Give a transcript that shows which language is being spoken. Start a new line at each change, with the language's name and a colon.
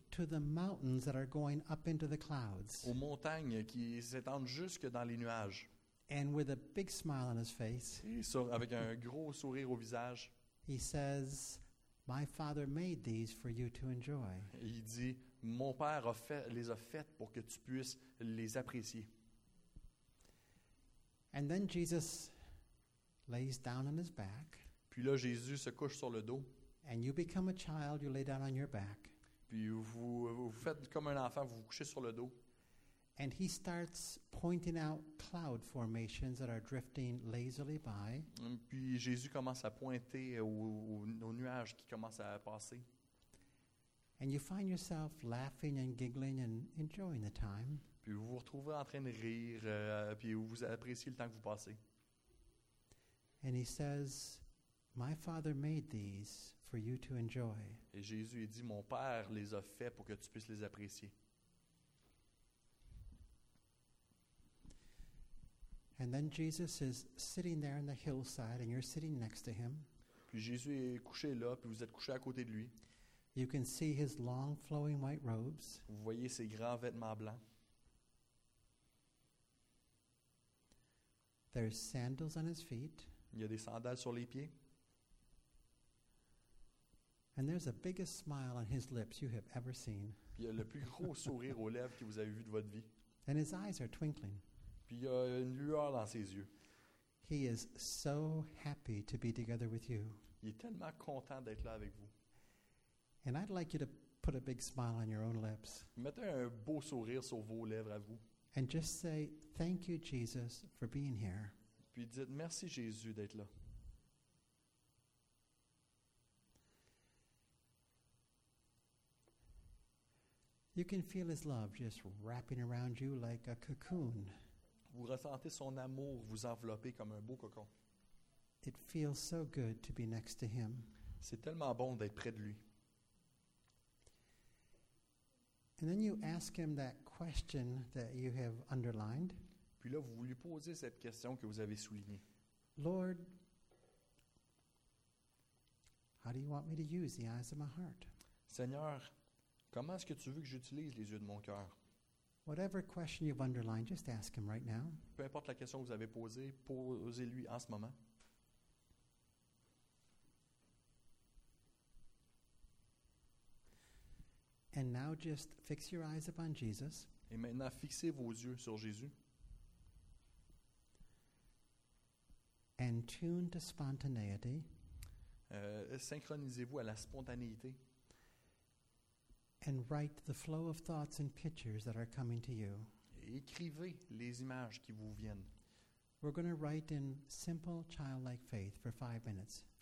English: To the mountains that are going up into the clouds.
French: Aux montagnes qui s'étendent jusque dans les nuages.
English: And with a big smile on his face.
French: Et avec un gros sourire au visage.
English: He says, "My Father made these for you to enjoy."
French: Il dit, mon Père les a faites pour que tu puisses les apprécier.
English: And then Jesus lays down on his back.
French: Puis là, Jésus se couche sur le dos.
English: And you become a child, you lay down on your back.
French: Puis vous faites comme un enfant, vous vous couchez sur le dos.
English: And he starts pointing out cloud formations that are drifting lazily by.
French: Puis Jésus commence à pointer aux nuages qui commencent à passer.
English: And you find yourself laughing and giggling and enjoying the time.
French: puis vous vous retrouvez en train de rire, puis vous appréciez le temps que vous passez.
English: And he says, my father made these for you to enjoy.
French: Et Jésus dit, mon père les a fait pour que tu puisses les apprécier.
English: And then Jesus is sitting there on the hillside and you're sitting next to him.
French: Puis Jésus est couché là, puis vous êtes couché à côté de lui.
English: You can see his long flowing white robes.
French: Vous voyez ses grands vêtements blancs.
English: There's sandals on his feet.
French: Il y a des sandales sur les pieds.
English: And there's the biggest smile on his lips you have ever seen.
French: Il y a le plus gros sourire aux lèvres que vous avez vu de votre vie.
English: And his eyes are twinkling.
French: Puis il y a une lueur dans ses yeux.
English: He is so happy to be together with you.
French: Il est tellement content d'être là avec vous.
English: And I'd like you to put a big smile on your own lips.
French: Mettez un beau sourire sur vos lèvres à vous.
English: And just say thank you, Jesus, for being here.
French: Puis dites merci Jésus d'être là.
English: You can feel his love just wrapping around you like a cocoon.
French: Vous ressentez son amour vous envelopper comme un beau cocon.
English: It feels so good to be next to him.
French: C'est tellement bon d'être près de lui.
English: And then you ask him that question that you have underlined.
French: Puis là, vous lui posez cette question que vous avez soulignée.
English: Lord, how do you want me to use the eyes of my heart?
French: Seigneur, comment est-ce que tu veux que j'utilise les yeux de mon cœur?
English: Whatever question you've underlined, just ask him right now.
French: Peu importe la question que vous avez posée, posez-lui en ce moment.
English: And now just fix your eyes upon Jesus.
French: Et maintenant, fixez vos yeux sur Jésus.
English: And tune to spontaneity.
French: Synchronisez-vous à la spontanéité.
English: And write the flow of thoughts and pictures that are coming to you.
French: Écrivez les images qui vous viennent.
English: We're going to write in simple childlike faith for 5 minutes.